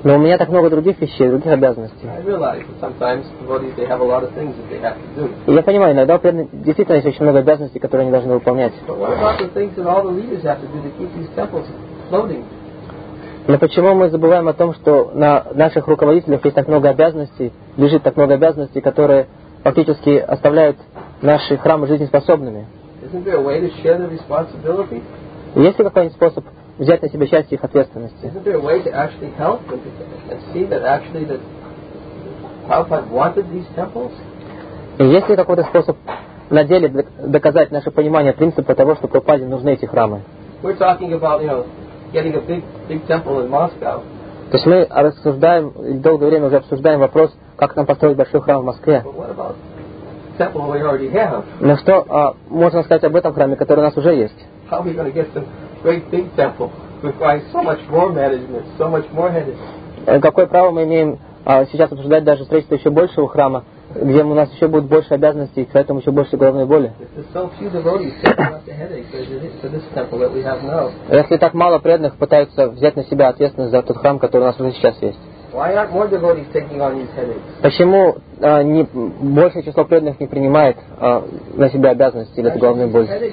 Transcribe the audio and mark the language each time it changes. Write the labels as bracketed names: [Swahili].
[Russian] Но у меня так много других вещей, других обязанностей. [English] I realize that sometimes devotees, they have a lot of things that they have to do. [Russian] И я понимаю, иногда действительно есть очень много обязанностей, которые они должны выполнять. [English] But what about the things that all the leaders have to do to keep these temples floating? [Russian] Но почему мы забываем о том, что на наших руководителях есть так много обязанностей, лежит так много обязанностей, которые фактически оставляют наши храмы жизнеспособными? [English] Isn't there a way to share the responsibility? [Russian] Есть ли какой-нибудь способ взять на себя часть их ответственности? [English] Isn't there a way to actually help and see that actually that Prabhupada wanted these temples? [Russian] И есть ли какой-то способ на деле доказать наше понимание принципа того, что Прабхупаде нужны эти храмы? [English] We're talking about, you know, getting a big temple in Moscow. [Russian] То есть мы обсуждаем, долгое время уже обсуждаем вопрос, как нам построить большой храм в Москве. [English] But what about the temple we already have? [Russian] Но что можно сказать об этом храме, который у нас уже есть? [English] How are we going to get the great big temple requires so much more management, so much more headache. [Russian] Какое право мы имеем сейчас обсуждать даже строительство еще большего храма, где у нас еще будет больше обязанностей, поэтому еще больше головной боли? [English] If there's so few devotees taking up the headache for this temple that we have now. [Russian] Если так мало преданных пытаются взять на себя ответственность за тот храм, который у нас уже сейчас есть? [English] Why aren't more devotees taking on these headaches? [Russian] Почему большее число преданных не принимает на себя обязанности или эту головную боль?